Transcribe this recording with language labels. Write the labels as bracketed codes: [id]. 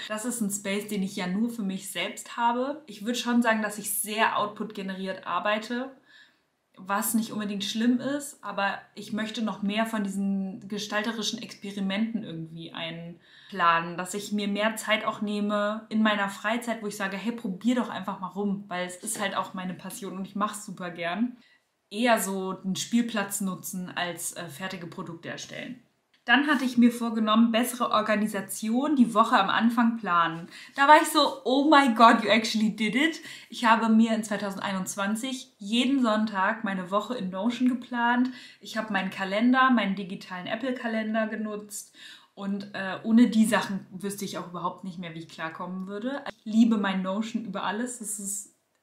[de] Das ist ein Space, den ich ja nur für mich selbst habe. Ich würde schon sagen, dass ich sehr output-generiert arbeite, was nicht unbedingt schlimm ist, aber ich möchte noch mehr von diesen gestalterischen Experimenten irgendwie einplanen, dass ich mir mehr Zeit auch nehme in meiner Freizeit, wo ich sage, hey, probier doch einfach mal rum, weil es ist halt auch meine Passion und ich mache es super gern. Eher so einen Spielplatz nutzen als fertige Produkte erstellen. Dann hatte ich mir vorgenommen, bessere Organisation die Woche am Anfang planen. Da war ich so, [en] oh my God, you actually did it. [de] Ich habe mir in 2021 jeden Sonntag meine Woche in Notion geplant. Ich habe meinen Kalender, meinen digitalen Apple-Kalender genutzt. Und ohne die Sachen wüsste ich auch überhaupt nicht mehr, wie ich klarkommen würde. Ich liebe mein Notion über alles. Das ist